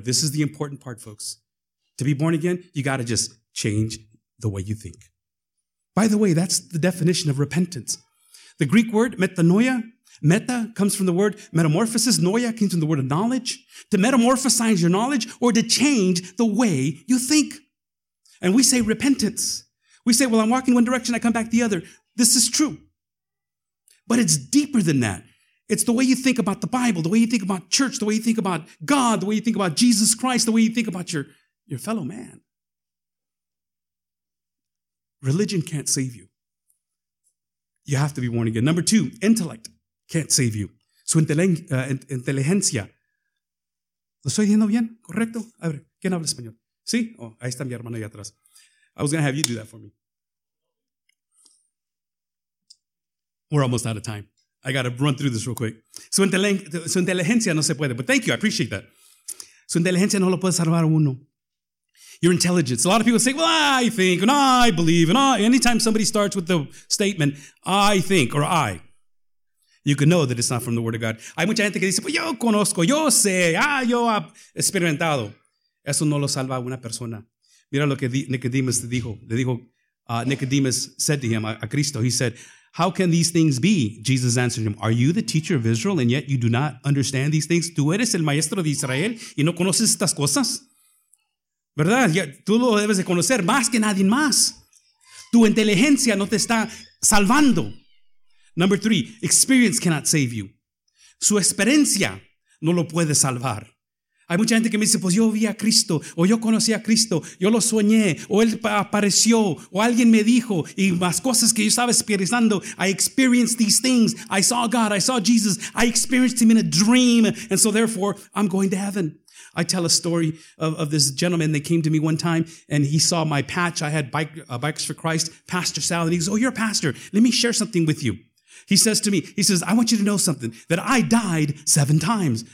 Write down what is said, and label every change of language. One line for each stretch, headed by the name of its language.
English: This is the important part, folks. To be born again, you got to just change the way you think. By the way, that's the definition of repentance. The Greek word metanoia, meta comes from the word metamorphosis, noia comes from the word of knowledge. To metamorphosize your knowledge or to change the way you think. And we say repentance. We say, well, I'm walking one direction, I come back the other. This is true. But it's deeper than that. It's the way you think about the Bible, the way you think about church, the way you think about God, the way you think about Jesus Christ, the way you think about your fellow man. Religion can't save you. You have to be born again. Number two, intellect can't save you.
Spanish: Su inteligencia. ¿Lo estoy diciendo bien? ¿Correcto? A ver, ¿quién habla español? ¿Sí? Oh, ahí está mi hermana allá atrás.
English: I was going to have you do that for me. We're almost out of time. I got to run through this real quick.
Spanish: Su inteligencia no se puede.
English: But thank you. I appreciate that.
Spanish: Su inteligencia no lo puede salvar uno.
English: Your intelligence. A lot of people say, well, I think, and I believe, and I. Anytime somebody starts with the statement, I think, or I, you can know that it's not from the Word of God.
Spanish: Hay mucha gente que dice, pues yo conozco, yo sé, ah, yo he experimentado. Eso no lo salva a una persona. Mira lo que Nicodemus dijo.
English: Nicodemus said to him, a Cristo, he said, how can these things be? Jesus answered him, are you the teacher of Israel, and yet you do not understand these things?
Spanish: Tú eres el maestro de Israel, y no conoces estas cosas. ¿Verdad? Ya, tú lo debes de conocer más que nadie más. Tu inteligencia no te está salvando.
English: Number three, experience cannot save you.
Spanish: Su experiencia no lo puede salvar. Hay mucha gente que me dice, pues yo vi a Cristo, o yo conocí a Cristo, yo lo soñé, o Él apareció, o alguien me dijo, y más cosas que yo estaba experimentando.
English: I experienced these things. I saw God. I saw Jesus. I experienced Him in a dream. And so therefore, I'm going to heaven. I tell a story of this gentleman that came to me one time, and he saw my patch. I had Bikers for Christ, Pastor Sal, and he goes, oh, you're a pastor. Let me share something with you. He says, I want you to know something, that I died seven times.